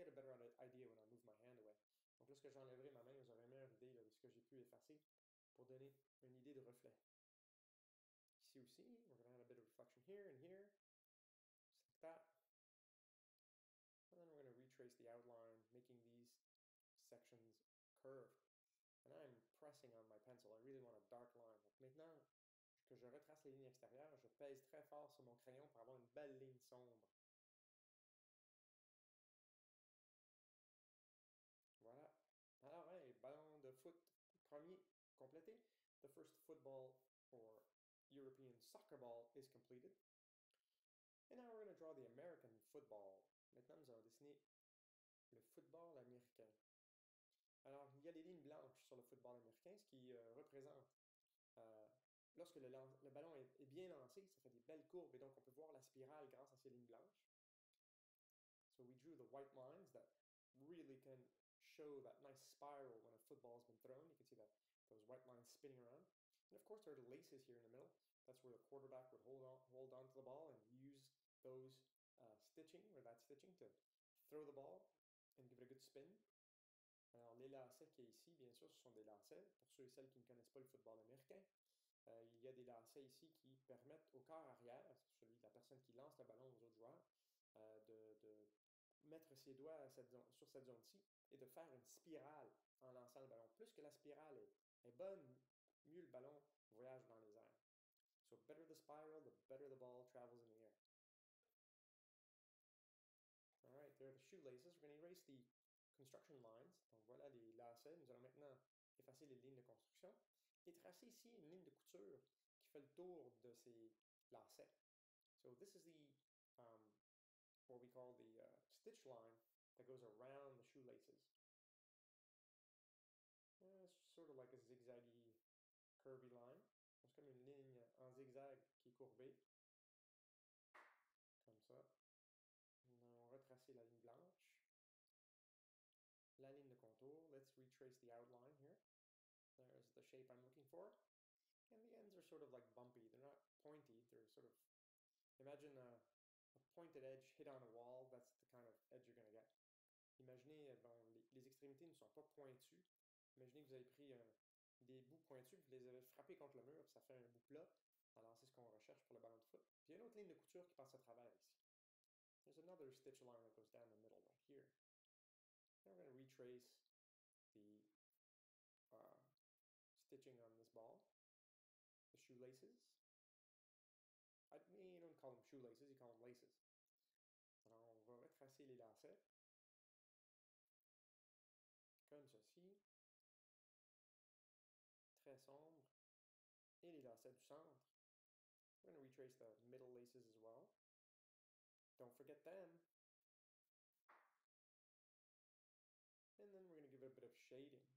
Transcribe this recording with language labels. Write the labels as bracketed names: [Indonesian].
[French] lorsque j'enlèverai ma main, vous aurez une meilleure idée là, de ce que j'ai pu effacer pour donner une idée de reflet. Ici aussi, [English] we're going to add a bit of reflection here and here, just like that. And then we're going to retrace the outline, making these sections curved. And I'm pressing on my pencil. I really want a dark line. [French] Donc maintenant que je retrace les lignes extérieures, je pèse très fort sur mon crayon pour avoir une belle ligne sombre. Voilà. Alors, hey, ballon de foot premier complété. [English] The first football or European soccer ball is completed. And now we're going to draw the American football. [French] Maintenant, nous allons dessiner le football américain. Alors, il y a des lignes blanches sur le football américain, ce qui représente, lorsque le ballon est bien lancé, ça fait des belles courbes, et donc on peut voir la spirale grâce à ces lignes blanches. [English] So we drew the white lines that really can show that nice spiral when a football has been thrown. You can see that those white lines spinning around. And of course, there are laces here in the middle. That's where the quarterback would hold on to the ball and use those stitching, or that stitching, to throw the ball and give it a good spin. [French] Alors, les lacets qu'il y a ici, bien sûr, ce sont des lacets. Pour ceux et celles qui ne connaissent pas le football américain, il y a des lacets ici qui permettent au corps arrière, celui de la personne qui lance le ballon aux autres joueurs, de mettre ses doigts sur cette zone-ci et de faire une spirale en lançant le ballon. Plus que la spirale est bonne, mieux le ballon voyage dans les airs. [English] So, better the spiral, the better the ball travels in the air. All right, there are the shoelaces. We're going to erase the construction lines. [French] Donc voilà les lacets. Nous allons maintenant effacer les lignes de construction et tracer ici une ligne de couture qui fait le tour de ces lacets. [English] So this is the what we call the stitch line that goes around the shoelaces. It's sort of like a zigzaggy, curvy line. [French] C'est comme une ligne en zigzag qui est courbée, comme ça. Nous allons retracer la ligne blanche, la ligne de contour. [English] Let's retrace the outline here. There's the shape I'm looking for. And the ends are sort of like bumpy. They're not pointy. They're sort of, imagine a pointed edge hit on a wall. That's the kind of edge you're going to get. [French] Imaginez, bon, les extrémités ne sont pas pointues. Imaginez que vous avez pris des bouts pointus, vous les avez frappés contre le mur, ça fait un bout plat. Alors, c'est ce qu'on recherche pour le ballon de foot. Puis, il y a une autre ligne de couture qui passe à travers ici. [English] There's another stitch line that goes down the middle right here. Now we're going to retrace the stitching on this ball, the shoelaces. You don't call them shoelaces, you call them laces. [French] Alors on va retracer les lacets, comme ceci, très sombre, et les lacets du centre. [English] We're going to retrace the middle laces as well. Don't forget them. And then we're going to give it a bit of shading.